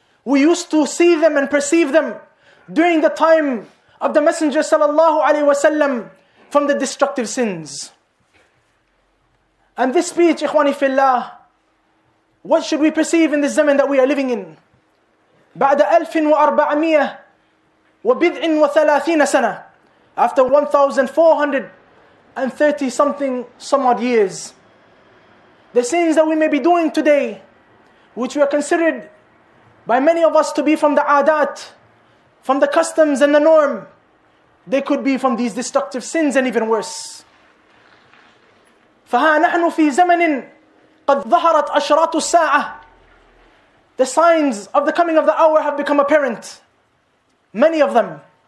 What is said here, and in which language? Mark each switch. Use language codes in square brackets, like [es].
[en] We used to see them and perceive them during the time of the Messenger sallallahu alayhi wasalam from the destructive sins. And this speech, Ikhwani Fillah, what should we perceive in this zaman that we are living in? [ar] بعد ألف وأربعمية وبدع وثلاثين سنة [en] After 1430 something, some odd years. The sins that we may be doing today, which we are considered by many of us to be from the adat, from the customs and the norm, they could be from these destructive sins and even worse. [ar] فها نحن في زمن قد ظهرت أشراط الساعة [en] The signs of the coming of the hour have become apparent. Many of them.